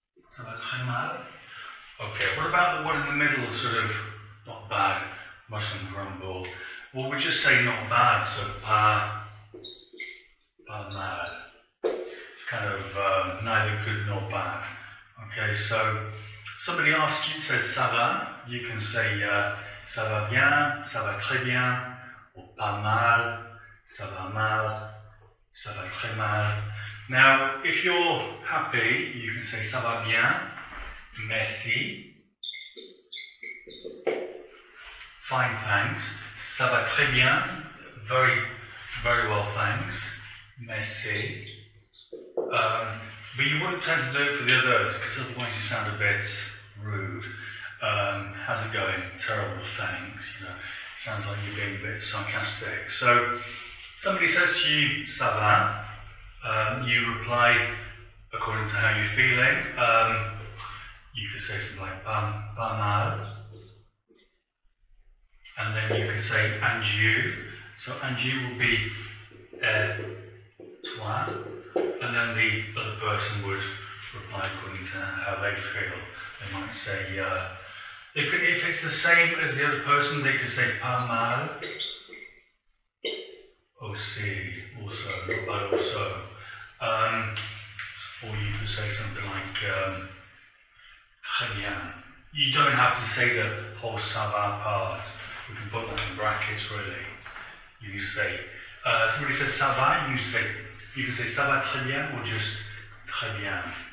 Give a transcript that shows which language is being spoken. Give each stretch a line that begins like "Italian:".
French: Ça va très mal.
English: Okay, what about the one in the middle, sort of, not bad, mustn't grumble. Well, we just say not bad, so
French: pas mal.
English: It's kind of neither good nor bad. Okay, so, somebody asks you, says
French: ça va,
English: you can say
French: ça va bien, ça va très bien,
English: or
French: pas mal. Ça va mal, ça va très mal.
English: Now, if you're happy, you can say
French: ça va bien, merci.
English: Fine, thanks.
French: Ça va très bien,
English: very, very well, thanks.
French: Merci.
English: But you wouldn't tend to do it for the others, because otherwise you sound a bit rude. How's it going? Terrible, thanks. You know, sounds like you're being a bit sarcastic. So, somebody says to you,
French: ça va,
English: you reply according to how you're feeling. You could say something like,
French: pas mal.
English: And then you could say, and you. So, and you will be,
French: toi.
English: And then the other person would reply according to how they feel. They might say, they could, if it's the same as the other person, they could say,
French: pas mal.
English: Also, not bad also. Or you can say something like,
French: très bien.
English: You don't have to say the whole
French: ça va
English: part. We can put that in brackets, really. You can say, somebody says
French: ça va,
English: you can say,
French: ça va très bien,
English: or just
French: très bien.